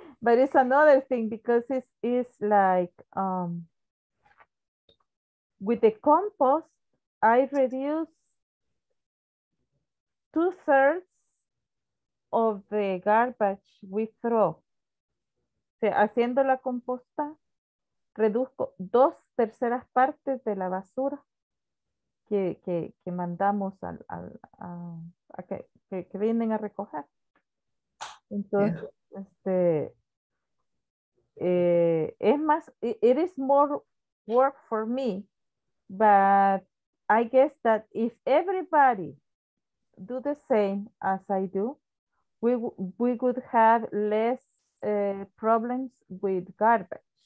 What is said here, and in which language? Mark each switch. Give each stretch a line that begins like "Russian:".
English: But it's another thing because it is like with the compost, I reduce 2/3 of the garbage we throw.
Spanish: So, haciendo la composta, reduzco 2/3 partes de la basura que mandamos que vienen a recoger. Entonces, yeah. Es más,
English: it is more work for me, but I guess that if everybody do the same as I do, we would have less problems with garbage.